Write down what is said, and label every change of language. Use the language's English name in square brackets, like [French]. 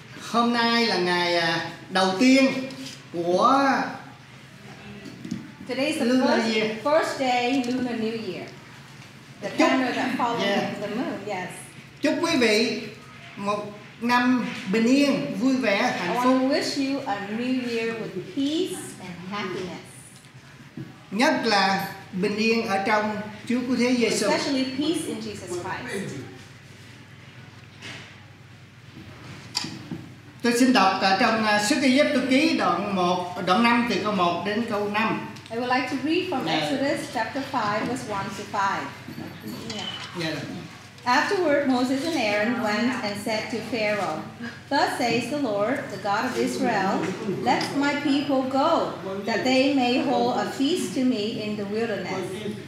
[Vietnamese] Hôm nay là ngày đầu tiên của [English] Today's the lunar first, year. First day Lunar New Year. The calendar that follows the moon, yes. [Vietnamese] Chúc quý vị một năm bình yên, vui vẻ, hạnh phúc. [English] I want to wish you a new year with peace and happiness. [Vietnamese] Nhất là bình yên ở trong Chúa của Thế Giê-xu. [English] Especially peace in Jesus Christ. [Vietnamese] Tôi xin đọc trong sách Ê-díp Tô Ký đoạn 5 từ câu 1 đến câu 5. [English] I would like to read from Exodus chapter 5 verse 1 to 5. Afterward, Moses and Aaron went and said to Pharaoh, "Thus says the Lord, the God of Israel, let my people go, that they may hold a feast to me in the wilderness."